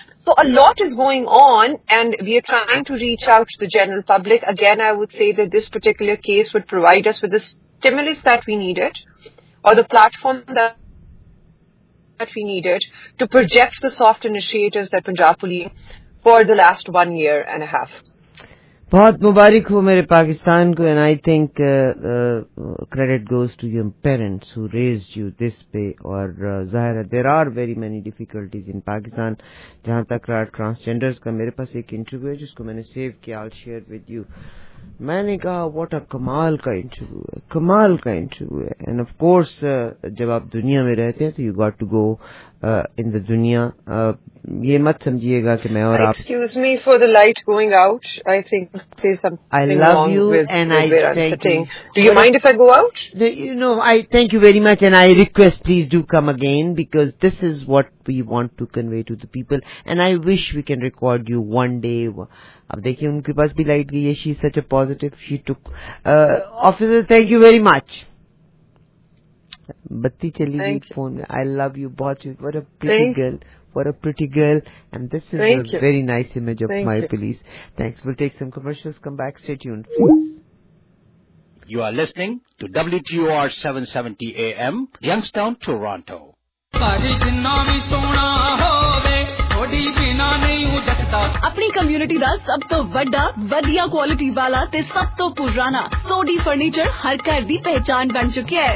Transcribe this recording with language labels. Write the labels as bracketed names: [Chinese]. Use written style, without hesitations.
[English] So a lot is going on, and we are trying to reach out to the general public. Again, I would say that this particular case would provide us with the stimulus that we needed, or the platform that we needed to project the soft initiatives that Punjab police for the last 1 year and a half. [Urdu] بہت مبارک ہو میرے پاکستان کو. [English] And I think credit goes to your parents who raised you this پہ. [Urdu] اور ظاہر ہے [English] There are very many difficulties in Pakistan. [Urdu] جہاں تک رہا ٹرانسجینڈرز کا, میرے پاس ایک انٹرویو ہے جس کو میں نے سیو کیا, [English] All share with you. [Urdu] میں نے کہا [English] what a [Urdu] کمال کا انٹرویو ہے, کمال کا انٹرویو ہے. [English] and of course [Urdu] جب آپ دنیا میں رہتے ہیں تو [English] You got to go in the دنیا. [Urdu] یہ مت سمجھیے گا کہ میں اور آپ, [English] Excuse me for the light going out, I think I love you and I thank you. Do you mind if I go out? You know I thank you very much, and I request please do come again, because this is what we want to convey to the people. And I wish we can record you one day. [Urdu] اب دیکھیے ان کے پاس بھی light گئی ہے, [English] She is such a positive, she took officer. Thank you very much. [Urdu] بتی چلی گئی phone میں. [English] I love you بہت. What a pretty girl, what a pretty girl. And this is a very nice image of my police. Thanks. Will take some commercials, come back, stay tuned. You are listening to W T O R 770 A M, Youngstown, Toronto. [Punjabi] اپنی community دا سب تو وڈا, ودیا quality والا, سب تو پرانا Soddy furniture ہر گھر دی پہچان بن چکی ہے.